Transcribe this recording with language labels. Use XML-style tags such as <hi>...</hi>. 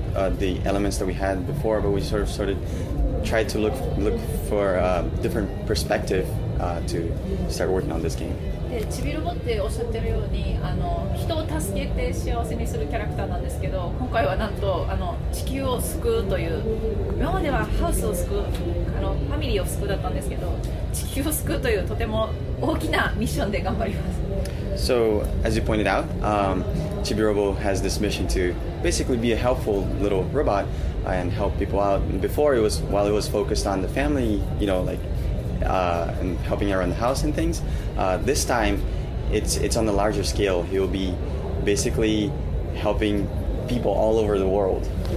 <en>the elements that we had before, but we sort of tried to look for a different perspective to start working on this game.</en> <ja>ちびロボっておっしゃってるようにあの人を助けて幸せにするキャラクターなんですけど今回はなんとあの地球を救うという今まではハウスを救うあのファミリーを救うだったんですけど地球を救うというとても大きなミッションで頑張ります</ja> <en>So as you pointed out, Chibirobo has this mission to basically be a helpful little robot and help people out. And before it was, while it was focused on the family, you know, likeand helping around the house and things. This time, it's on a larger scale. He'll be basically helping people all over the world.</en>